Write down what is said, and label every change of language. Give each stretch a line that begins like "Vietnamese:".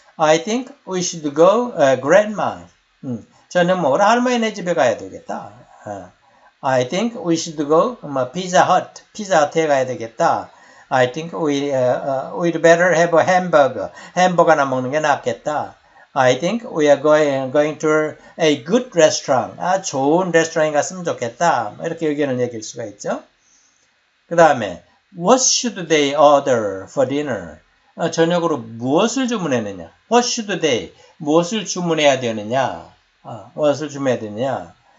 English: I think we should go grandma.
Korean: 저녁 먹으러 할머니네 집에 가야 되겠다.
English: I think we should go pizza hut.
Korean: 피자 hut에 가야 되겠다.
English: I think we'd better have a hamburger.
Korean: 햄버거나 먹는 게 낫겠다.
English: I think we are going to a good restaurant.
Korean: 아, 좋은 레스토랑에 갔으면 좋겠다. 이렇게 의견을 얘기할 수가 있죠. 그 다음에,
English: what should they order for dinner?
Korean: 저녁으로 무엇을 주문했느냐?
English: What should they?
Korean: 무엇을 주문해야 되느냐? 무엇을 주문해야 되느냐?